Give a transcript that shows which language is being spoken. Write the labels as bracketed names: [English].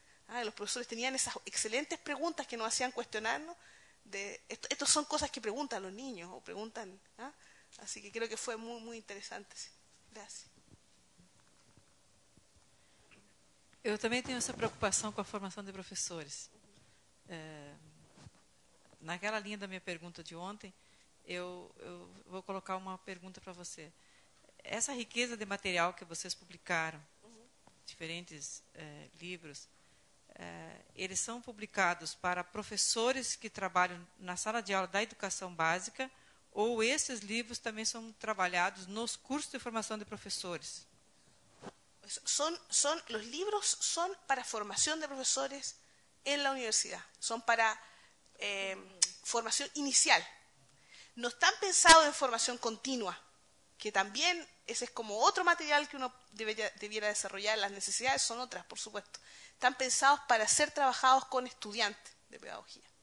[Spanish] Ah, los profesores tenían esas excelentes preguntas que nos hacían cuestionarnos. Estos son cosas que preguntan los niños o preguntan. ¿Ah? Así que creo que fue muy, muy interesante. Sí. Gracias. Yo también tengo esa preocupación con la formación de profesores. [Portuguese] Naquela linha da minha pergunta de ontem, eu vou colocar uma pergunta para você. Essa riqueza de material que vocês publicaram, diferentes livros, eles são publicados para professores que trabalham na sala de aula da educação básica ou esses livros também são trabalhados nos cursos de formação de professores? Os livros são para formação de professores na universidade. São para... [Spanish] formación inicial. No están pensados en formación continua, que también ese es como otro material que uno debiera desarrollar, las necesidades son otras, por supuesto. Están pensados para ser trabajados con estudiantes de pedagogía.